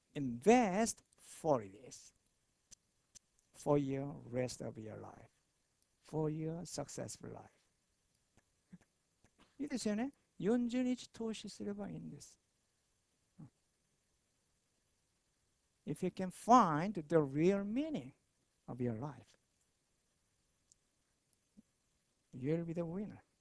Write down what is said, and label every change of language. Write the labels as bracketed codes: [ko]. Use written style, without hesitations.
[en] Invest 40 days for your rest of your life. For your successful life. [ja] いいですよね。 40日投資すればいいんです。 [en] If you can find the real meaning of your life, you'll be the winner.